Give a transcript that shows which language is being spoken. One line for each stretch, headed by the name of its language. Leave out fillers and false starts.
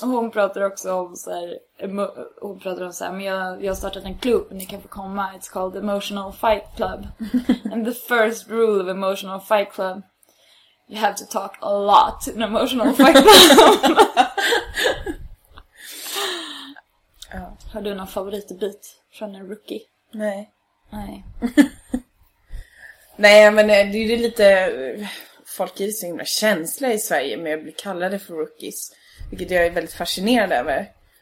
Swedish: Och hon pratar också om så här, hon pratar om så här, men jag har startat en klubb, ni kan få komma.
English: It's called Emotional Fight Club. And the first rule of Emotional Fight Club, you have to talk a lot in Emotional Fight Club.
Swedish: Har du någon favoritbit från en rookie? Nej. Nej. Nej, men det är ju lite... Folk är så himla känsliga i Sverige med att bli kallade för rookies. Vilket jag är väldigt fascinerad över.